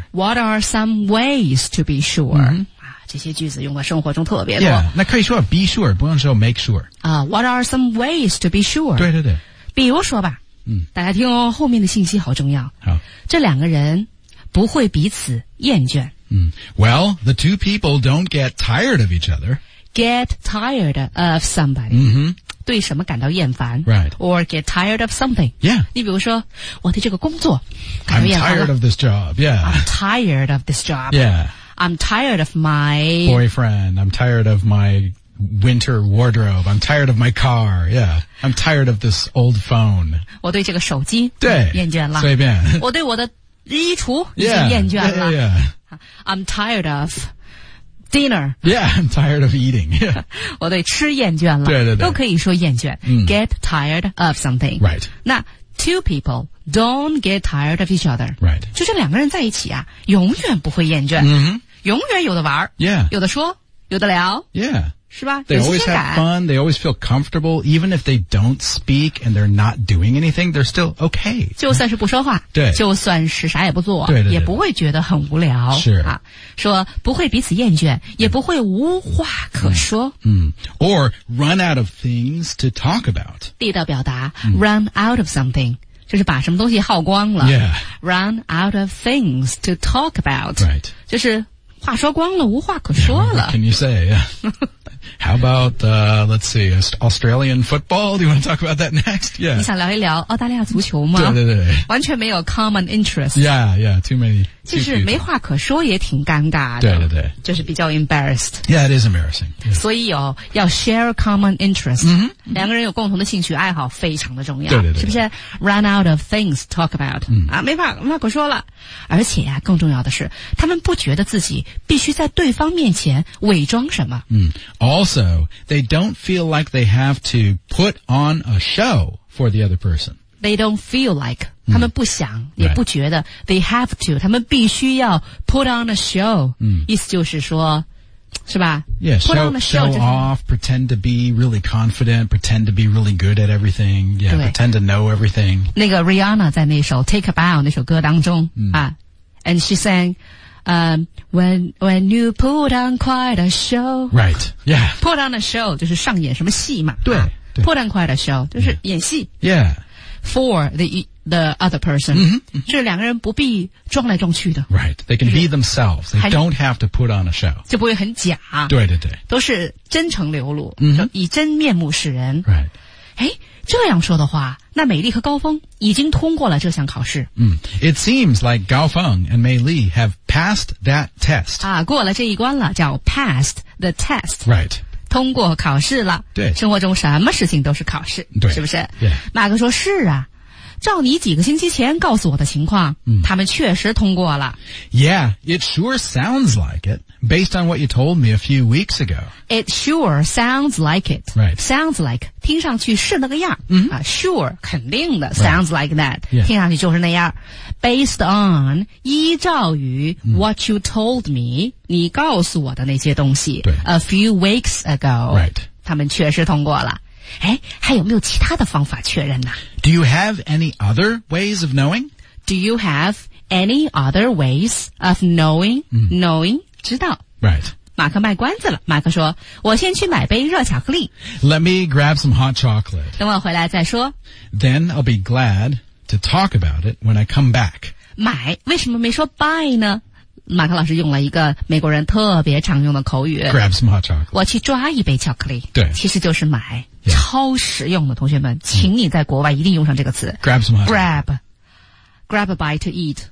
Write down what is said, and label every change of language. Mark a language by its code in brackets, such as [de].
[en] What are some ways to be sure?、 [zh] 这些句子用在生活中特别多。 [en] Yeah, [zh] 那可以说 [en] be sure， [zh] 不用说 [en] make sure。 What are some ways to be sure？ [zh] 对对对。比如说吧，大家听哦，后面的信息好重要。好，这两个人不会彼此厌倦。 [en] Well, the two people don't get tired of each other. Get tired of somebody.、 [zh] 对什么感到厌烦 [en] ？Right. Or get tired of something. Yeah. [zh] 你比如说，我对这个工作感到厌烦了。 [en] I'm tired of this job. Yeah. I'm tired of this job. Yeah. I'm tired of my boyfriend. I'm tired of my winter wardrobe. I'm tired of my car. Yeah. I'm tired of this old phone. [zh] 我对这个手机对厌倦了。随便。我对我的衣橱已经厌倦了。 [en] Yeah. Yeah. I'm tired of. Dinner. Yeah, I'm tired of eating. Yeah. [zh] 我对吃厌倦了。对对对。都可以说厌倦。 [en] Get tired of something. Right. 那 two people don't get tired of each other. Right. [zh] 就这两个人在一起啊永远不会厌倦。永远有的玩。 [en] Yeah. [zh] 有的说有得聊。 [en] Yeah. [zh] 是吧? [en] They always have fun. They always feel comfortable. Even if they don't speak and they're not doing anything, they're still okay. [zh] 就算是不说话。对。就算是啥也不做。对对对。也不会觉得很无聊。是。啊。说不会彼此厌倦也不会无话可说。 [en] Or run out of things to talk about. [zh] 地道表达 [en] run out of something. [zh] 就是把什么东西耗光了、 [en] yeah. Run out of things to talk about、 right. [zh] 就是话说光了无话可说了、 [en] yeah. What can you say? How about, let's see, Australian football? Do you want to talk about that next?、Yeah. [zh] 你想聊一聊澳大利亚足球吗对对对完全没有 common interest [en] Yeah, yeah, too many [zh] 就是没话可说也挺尴尬的对对对就是比较 embarrassed [en] Yeah, it is embarrassing、yeah. [zh] 所以、哦、要 [en] share common interest、 mm-hmm. [zh] 两个人有共同的兴趣爱好非常的重要对对 对, 对是不是 [en] Run out of things to talk about、 mm. [zh] 啊、没话可说了而且、啊、更重要的是他们不觉得自己必须在对方面前伪装什么、 [en] Also, they don't feel like they have to put on a show for the other person. They don't feel like. [zh] 他们不想、也不觉得、 [en] right. They have to. [zh] 他们必须要 [en] put on a show.、 [zh] 意思就是说是吧 [en] yeah, Put show, on a show. Show off, pretend to be really confident, pretend to be really good at everything. Yeah, pretend to know everything. [zh] 那个 Rihanna 在那首 Take a Bow 那首歌当中、啊、 [en] And she sang,When you put on quite a show. Right. Yeah. [zh] Put on a show, 就是上演什么戏嘛。对。 Put on quite a show, 就是演戏。 [en] Yeah. For the other person. 嗯、mm-hmm. [zh] 就是两个人不必装来装去的。 [en] Right. They can be themselves. They don't have to put on a show. [zh] 就不会很假。对对对。都是真诚流露。嗯、mm-hmm.。以真面目示人。 [en] Right. [zh] 诶这样说的话那美丽和高峰已经通过了这项考试。 [en] It seems like Gao Feng and Mei Li have passed that test. [zh] 啊过了这一关了叫 [en] passed the test. Right. [zh] 通过考试了。对。生活中什么事情都是考试。对。是不是、 [en] yeah. [zh] 马克说是啊照你几个星期前告诉我的情况、他们确实通过了。 [en] Yeah, it sure sounds like it, based on what you told me a few weeks ago. It sure sounds like it. Right. Sounds like, [zh] 听上去是那个样。 Mm-hmm. Sure, 肯定的 sounds、 [en] right. like that.、 Yeah. [zh] 听上去就是那样。Based on, 依照于 [en] what you told me, [zh] 你告诉我的那些东西 [en] a few weeks ago. Right. [zh] 他们确实通过了。诶还有没有其他的方法确认呢 [en] Do you have any other ways of knowing? Do you have any other ways of knowing?、Knowing, 知道。 Right. [zh] 马克卖关子了马克说我先去买杯热巧克力。 [en] Let me grab some hot chocolate. [zh] 等我回来再说。 [en] Then I'll be glad to talk about it when I come back. [zh] 买为什么没说 buy 呢马克老师用了一个美国人特别常用的口语 [en] Grab some hot chocolate [zh] 我去抓一杯巧克力对其实就是买、 [en] yeah. [zh] 超实用的同学们请你在国外一定用上这个词 [en] Grab some hot chocolate Grab a bite to eat